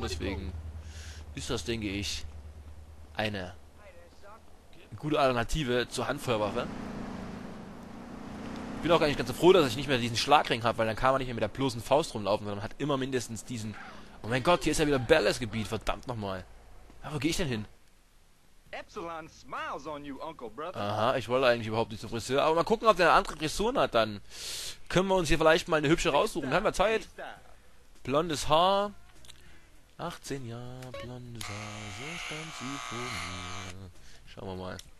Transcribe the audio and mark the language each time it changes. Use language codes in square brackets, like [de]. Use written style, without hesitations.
[de] Deswegen ist das, denke ich, eine gute Alternative zur Handfeuerwaffe. Ich bin auch eigentlich ganz so froh, dass ich nicht mehr diesen Schlagring habe, weil dann kann man nicht mehr mit der bloßen Faust rumlaufen, sondern hat immer mindestens diesen. Oh mein Gott, hier ist ja wieder Ballas-Gebiet. Verdammt nochmal. Ja, wo gehe ich denn hin? [en] Epsilon smiles on you, Uncle Brother. [de] Aha, ich wollte eigentlich überhaupt nicht zum Friseur. Aber mal gucken, ob der eine andere Frisur hat, dann können wir uns hier vielleicht mal eine hübsche raussuchen. Haben wir Zeit? Blondes Haar. 18 Jahre, blondes Haar. So stand sie vor mir. Schauen wir mal.